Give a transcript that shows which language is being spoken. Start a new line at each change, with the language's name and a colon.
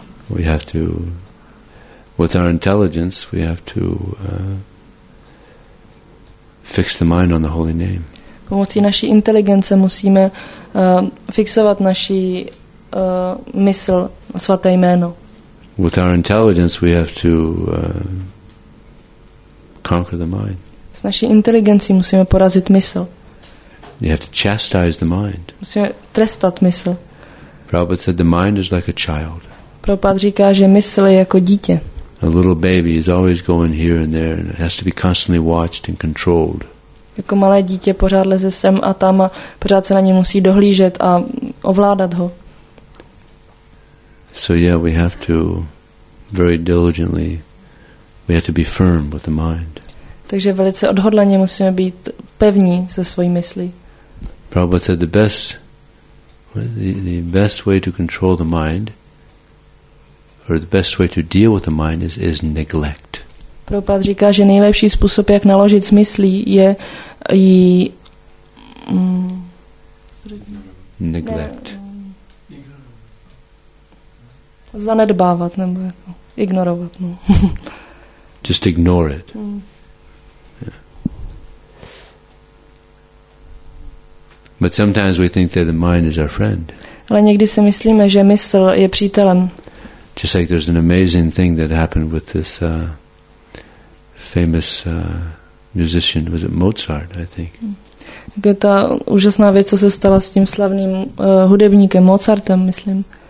English: We have to, with our intelligence, we have to fix the mind on the holy name.
Czech: Pomocí naší inteligence musíme fixovat naši mysl na svaté jméno.
English: With our intelligence, we have to conquer the mind.
Czech: S naší inteligencí musíme porazit mysl.
English: You have to chastise the mind.
Czech: Musíme trestat mysl.
English: Prabhupada said the mind is like a child.
Czech: Prabhupada říká, že mysl je jako dítě.
English: A little baby is always going here and there and has to be constantly watched and controlled.
Czech: Jako malé dítě pořád leze sem a tam a pořád se na ně musí dohlížet a ovládat ho.
English: So yeah, we have to very diligently, we have to be firm with the mind.
Czech: Takže velice odhodlaně musíme být pevní se svojí myslí.
English: Prabhupada said the best way to control the mind, or the best way to deal with the mind is neglect.
Czech: Prabhupada říká, že nejlepší způsob, jak naložit s myslí, je ji
English: neglect.
Czech: Zanedbávat nebo jako ignorovat. No.
English: Just ignore it. But sometimes we think that the mind is our friend.
Czech: Ale někdy si myslíme, že mysl je přítelem.
English: Just like there's an amazing thing that happened with this famous musician. Was it Mozart, I think?
Czech: Je ta úžasná věc, co se stala s tím slavným hudebníkem Mozartem, myslím.